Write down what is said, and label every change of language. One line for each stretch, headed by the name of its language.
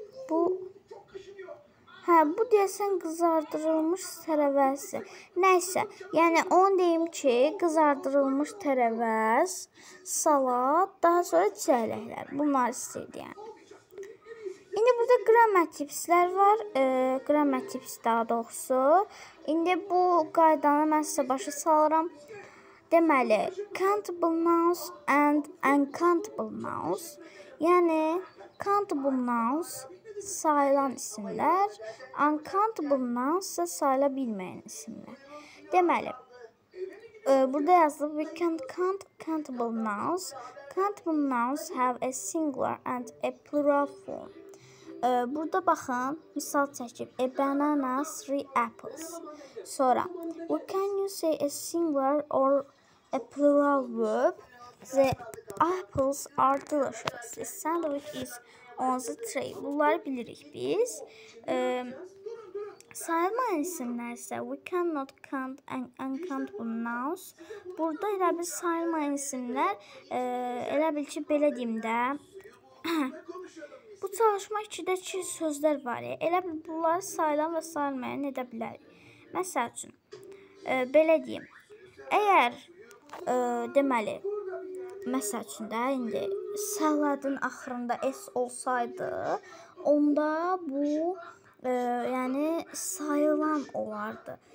Azerbaijani: Bu bu deyəsən qızardırılmış tərəvəzi. Nəysə, yəni onu deyim ki, qızardırılmış tərəvəz, salat, daha sonra çiyələklər. Bunlar istəyirdi yəni. İndi burada qrama tipslər var. Qrama tips daha doğrusu. İndi bu qaydanı mən sizə başa salıram. Deməli,
English: countable nouns and uncountable nouns.
Azerbaijani: Yəni, countable nouns sayılan isimlər, uncountable nouns isə sayıla bilməyən isimlər. Deməli, burada yazılıb,
English: we can count countable nouns. Countable nouns have a singular and a plural form.
Azerbaijani: Burada baxın, misal çəkib,
English: a banana, three apples. Sonra, we can you say a singular or a plural verb. The apples are delicious. The sandwich is on the tray.
Azerbaijani: Bunları bilirik biz. Sayılmayan isimler ise
English: we cannot count and uncount nouns.
Azerbaijani: Burada elə bir sayılmayan isimler elə bil ki belə deyim də. Bu çalışma içində iki sözler var ya. Elə bil bunları sayılan və sayılmayan edə bilərik. Məsəl üçün belə deyim. Əgər deməli məsəl üçün də indi saladın axırında s olsaydı, onda bu yəni sayılan olardı.